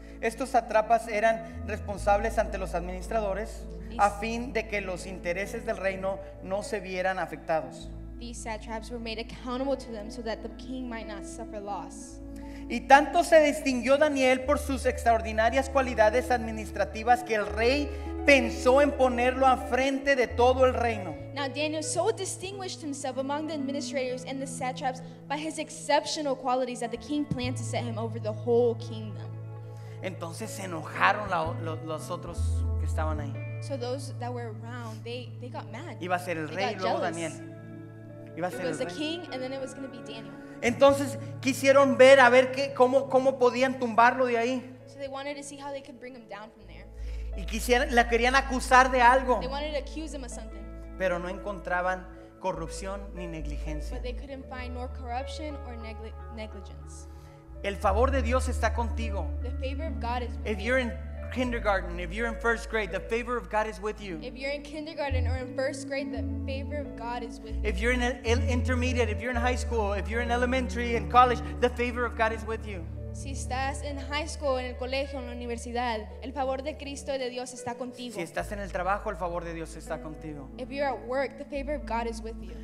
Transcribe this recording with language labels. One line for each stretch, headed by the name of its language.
Spanish: Estos sátrapas eran responsables ante los administradores a fin de que los intereses del reino no se vieran afectados.
English: These satraps were made accountable to them so that the king might not suffer loss.
Spanish: Y tanto se distinguió Daniel por sus extraordinarias cualidades administrativas que el rey pensó en ponerlo a frente de todo el reino.
English: Now Daniel so distinguished himself among the administrators and the satraps by his exceptional qualities that the king planned to set him over the whole kingdom.
Spanish: Entonces se enojaron los otros que estaban ahí.
English: So those that were around, they got mad.
Spanish: Iba a ser el rey y luego Daniel. Iba a ser el rey.
English: It was the king and then it was going to be Daniel.
Spanish: Entonces quisieron ver a ver qué cómo podían tumbarlo de ahí.
English: So they wanted to see how they could bring him down from there.
Spanish: Y la querían acusar de algo.
English: They wanted to accuse him of something.
Spanish: Pero no encontraban corrupción ni negligencia.
English: But they couldn't find nor corruption or negligence.
Spanish: El favor de Dios está contigo.
English: The favor of God is with you. If you're in kindergarten, if you're in first grade, the favor of God is with you. If you're in kindergarten or in first grade, the favor of God is with you. If you're in intermediate, if you're in high school, if you're in elementary and college, the favor of God is with you.
Spanish: Si estás en high school, en el colegio, en la universidad, el favor de Cristo y de Dios está contigo. Si estás en el trabajo, el favor de Dios está contigo.
English: If you're at work, the favor of God is with you.